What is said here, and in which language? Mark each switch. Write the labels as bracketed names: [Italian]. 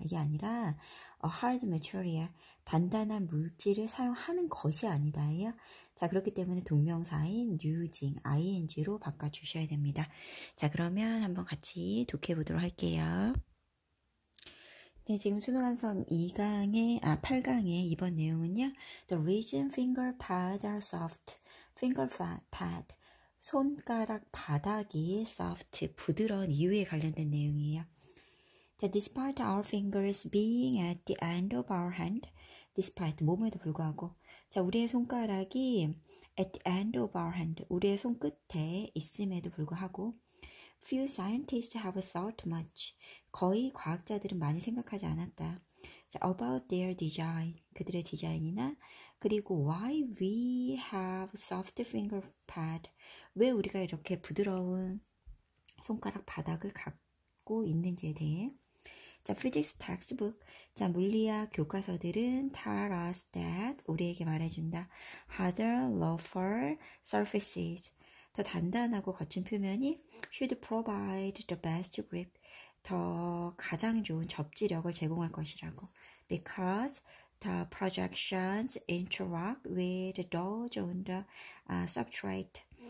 [Korean] 이게 아니라 [English] a hard material, [Korean] 단단한 물질을 사용하는 것이 아니다예요. 자, 그렇기 때문에 동명사인 using, ing로 바꿔주셔야 됩니다. 자, 그러면 한번 같이 독해 보도록 할게요. 네, 지금 수능완성 8강의 이번 내용은요. [English] The reason finger pads are soft, finger pad. [Korean] 손가락 바닥이 soft, 부드러운 이유에 관련된 내용이에요. [English] Despite our fingers being at the end of our hand, despite, 몸에도 불구하고, 자, 우리의 손가락이 at the end of our hand, [Korean] 우리의 손끝에 있음에도 불구하고, [English] few scientists have thought much, [Korean] 거의 과학자들은 많이 생각하지 않았다. [English] About their design, [Korean] 그들의 디자인이나, 그리고 [English] why we have soft finger pad, [Korean] 왜 우리가 이렇게 부드러운 손가락 바닥을 갖고 있는지에 대해. 자, physics textbook. 자, 물리학 교과서들은 [English] tell us that [Korean] 우리에게 말해준다. [English] Harder, rougher surfaces. [Korean] 더 단단하고 거친 표면이 [English] should provide the best grip. [Korean] 더 가장 좋은 접지력을 제공할 것이라고. [English] Because the projections interact with the dough on the substrate.